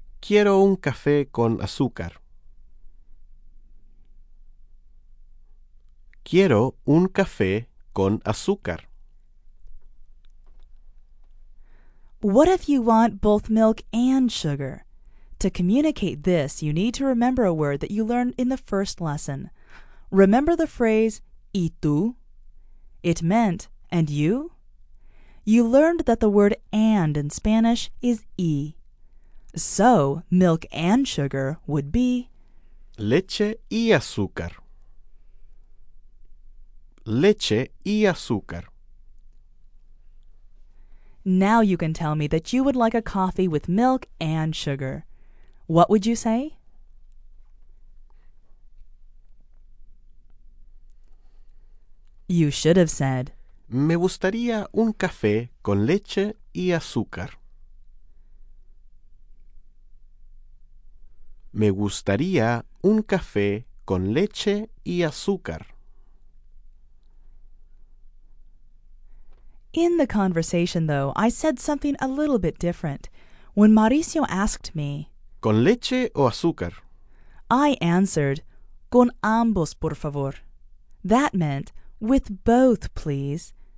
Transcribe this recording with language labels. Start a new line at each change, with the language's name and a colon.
Spanish: Quiero un café con azúcar. Quiero un café con azúcar.
English: What if you want both milk and sugar? To communicate this, you need to remember a word that you learned in the first lesson. Remember the phrase,
Spanish: ¿y tú?
English: It meant, and you? You learned that the word and in Spanish is y. So, milk and sugar would be...
Spanish: Leche y azúcar. Leche y azúcar.
English: Now you can tell me that you would like a coffee with milk and sugar. What would you say? You should have said,
Spanish: Me gustaría un café con leche y azúcar. Me gustaría un café con leche y azúcar.
English: In the conversation, though, I said something a little bit different. When Mauricio asked me,
Spanish: ¿Con leche o azúcar?
English: I answered,
Spanish: Con ambos, por favor.
English: That meant, with both, please.